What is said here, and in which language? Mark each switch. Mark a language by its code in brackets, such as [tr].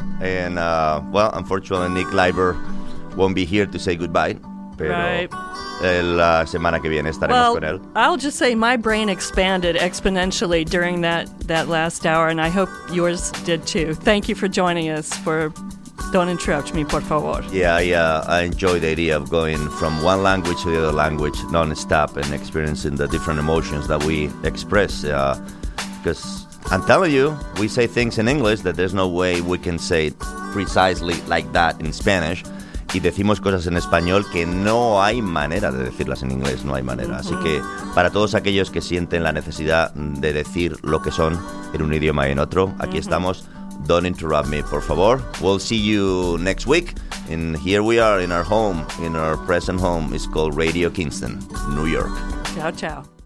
[en] And well, unfortunately, Nick Leiber won't be here to say goodbye. [es] La semana que viene estaremos con él. [en] I'll just say my brain expanded exponentially during that last hour, and I hope yours did too. Thank you for joining us for Don't interrupt me, [es] por favor. [en] Yeah, I enjoy the idea of going from one language to the other language nonstop and experiencing the different emotions that we express. Because I'm telling you, we say things in English that there's no way we can say precisely like that in Spanish. [es] Y decimos cosas en español que no hay manera de decirlas en inglés, no hay manera. Así que para todos aquellos que sienten la necesidad de decir lo que son en un idioma y en otro, aquí estamos. [en] Don't interrupt me, [es] por favor. [en] We'll see you next week. And here we are in our home, in our present home. It's called Radio Kingston, New York. [es] Chao, chao.